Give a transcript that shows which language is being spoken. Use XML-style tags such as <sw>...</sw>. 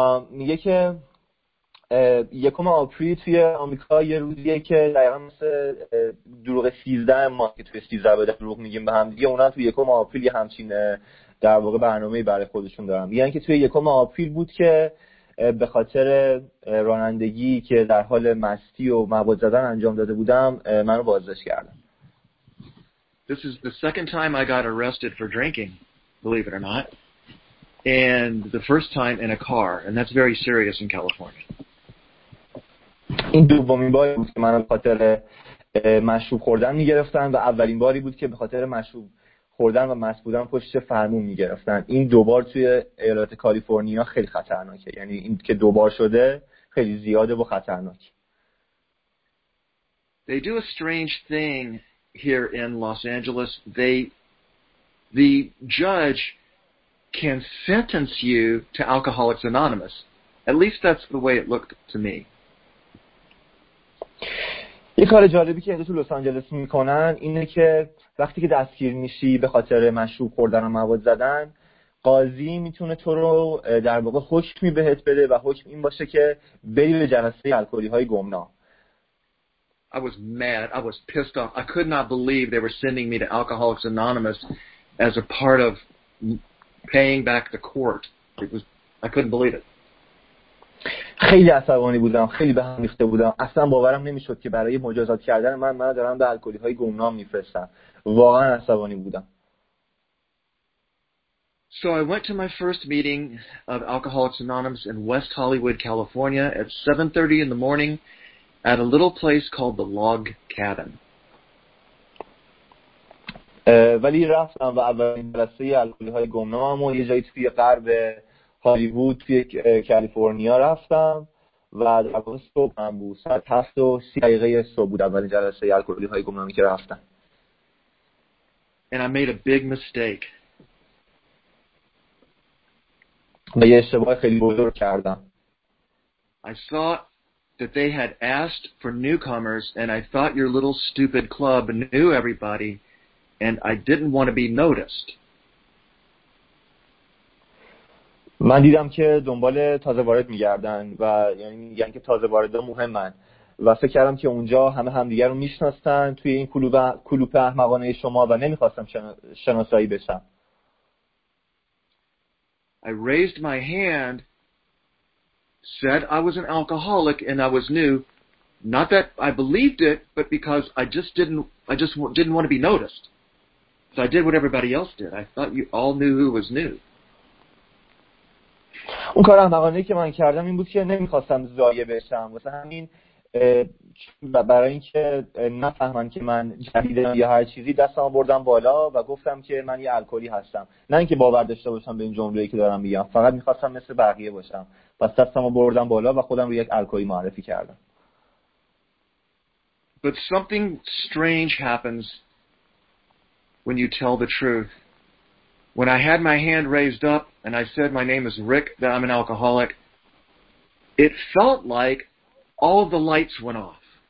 <fa>میگه که یکم آپریل توی آمریکا یه روزیه که دقیقا مثل دروغ 13 ما که توی 13 به دروغ میگیم به هم دیگه، اونا توی یکم آپریل یه همچین در واقع برنامه برای خودشون دارن. یعنی که توی یکم آپریل بود که به خاطر رانندگی که در حال مستی و مواد زدن انجام داده بودم منو بازداشت کردن.</fa> <en>This is the second time I got arrested for drinking, believe it or not. And the first time in a car, and that's very serious in California.</en> <fa>این دومین باری بود که منو به خاطر مشروب خوردن میگرفتن و اولین باری بود که به خاطر مشروب خوردن و مست بودن پشت فرمون میگرفتن. این دوبار توی ایالت کالیفرنیا خیلی خطرناکه، یعنی این که دوبار شده خیلی زیاده و خطرناکه.</fa> <en>They do a strange thing here in Los Angeles. The judge can sentence you to Alcoholics Anonymous. At least that's the way it looked to me.</en> <fa>یه کار جالبی که اینجا تو لس آنجلس میکنن اینه که وقتی که دستگیر میشی به خاطر مشروب خوردن و مواد زدن، قاضی میتونه تو رو در واقع حکم بهت بده و حکم این باشه که بری به جلسه الکلی های گمنام.</fa> <en>I was mad. I was pissed off. I could not believe they were sending me to Alcoholics Anonymous as a part of paying back the court. I couldn't believe it.</en> <fa>خیلی عصبانی بودم، خیلی به هم ریخته بودم، اصلا باورم نمیشد که برای مجازات کردن من دارم به الکلی های گمنام میفرستم. واقعا عصبانی بودم.</fa> <en>So I went to my first meeting of Alcoholics Anonymous in West Hollywood, California at 7:30 in the morning at a little place called the Log Cabin.</en> <fa>ولی رفتم و اولین جلسه الکلی های گمنامم و یه جایی توی غرب هالیوود توی کالیفرنیا رفتم و در واقع صبح هم بود، ساعت 7:30 دقیقه صبح بود اولین جلسه الکلی های گمنامی که رفتم.</fa> <en>And I made a big mistake.</en> <fa>و یه اشتباه خیلی بزرگ کردم.</fa> <en>I saw that they had asked for newcomers and I thought your little stupid club knew everybody and I didn't want to be noticed.</en> <fa>من دیدم که دنبال تازه وارد می‌گردن و یعنی میگن که تازه واردا مهمن و فکر کردم که اونجا همه همدیگر رو می‌شناسن توی این کلوپ احمقانه شما و نمی‌خواستم شناسایی بشم.</fa> <en>I raised my hand, said I was an alcoholic and I was new, not that I believed it, but because I just didn't want to be noticed. So I did what everybody else did. I thought you all knew who was new.</en> <fa>اون کار احمقانه‌ای که من کردم این بود که نمی‌خواستم ضایع بشم، واسه همین برای اینکه نفهمن که من جدیدم یا هر چیزی دستم بردم بالا و گفتم که من یه الکلی هستم، نه اینکه باور داشته باشم به این جمله‌ای که دارم میگم، فقط می‌خواستم مثل بقیه باشم، پس دستمو بردم بالا و خودم رو یک الکلی معرفی کردم.</fa> <en>But something strange happens when you tell the truth. When I had my hand raised up and I said my name is Rick, that I'm an alcoholic, it felt like all the lights went off.</en>